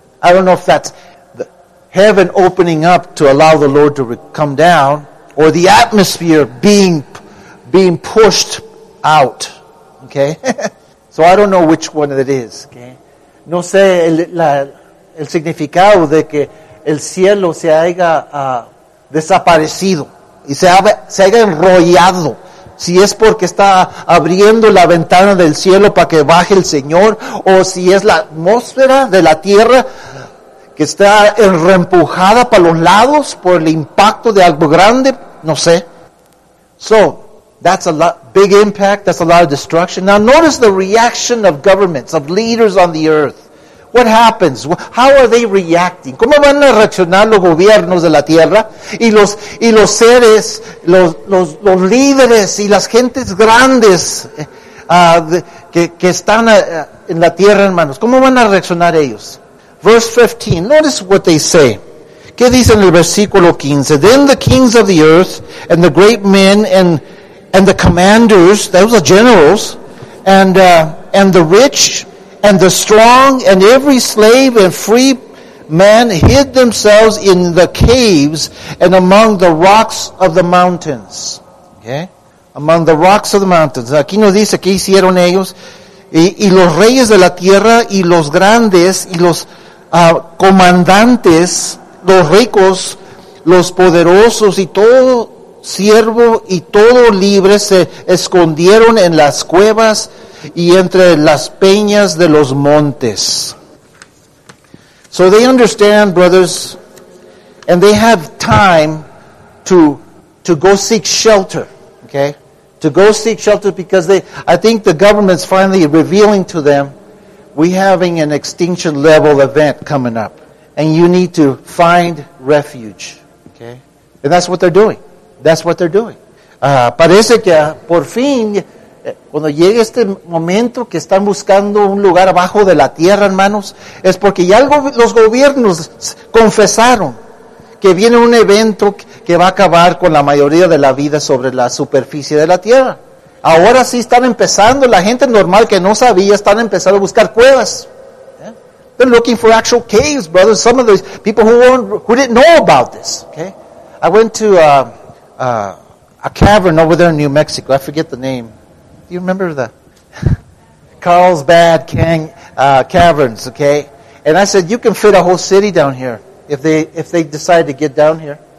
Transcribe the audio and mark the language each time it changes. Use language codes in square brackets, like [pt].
[en] I don't know if that's the heaven opening up to allow the Lord to come down, or the atmosphere being pushed out. Okay? So I don't know which one it is. Okay? [es] No sé el significado de que el cielo se haya desaparecido y se haya enrollado. Si es porque está abriendo la ventana del cielo para que baje el Señor, o si es la atmósfera de la tierra que está reempujada para los lados por el impacto de algo grande, no sé. [en] So, that's a lot, big impact, that's a lot of destruction. Now, notice the reaction of governments, of leaders on the earth. What happens? How are they reacting? [es] ¿Cómo van a reaccionar los gobiernos de la tierra y los seres, los líderes y las gentes grandes que están en la tierra, hermanos? ¿Cómo van a reaccionar ellos? [en] Verse 15, notice what they say. [es] ¿Qué dice en el versículo 15? [en] Then the kings of the earth and the great men and the commanders, those are generals, and the rich, and the strong, and every slave and free man hid themselves in the caves and among the rocks of the mountains. Okay? Among the rocks of the mountains. [es] Aquí nos dice qué hicieron ellos. Y los reyes de la tierra, y los grandes, y los comandantes, los ricos, los poderosos, y todo siervo y todo libre se escondieron en las cuevas y entre las peñas de los montes. [en] So they understand, brothers, and they have time to go seek shelter, okay? To go seek shelter because I think the government's finally revealing to them, we're having an extinction level event coming up, and you need to find refuge, okay? And that's what they're doing. That's what they're doing. [es] Parece que por fin, cuando llegue este momento que están buscando un lugar abajo de la tierra, hermanos, es porque ya los gobiernos confesaron que viene un evento que va a acabar con la mayoría de la vida sobre la superficie de la tierra. Ahora sí están empezando, la gente normal que no sabía, están empezando a buscar cuevas. [en] They're looking for actual caves, brothers. Some of those people who didn't know about this. Okay, I went to a cavern over there in New Mexico. I forget the name. Do you remember the Carlsbad Caverns? Okay, and I said you can fit a whole city down here if they decide to get down here.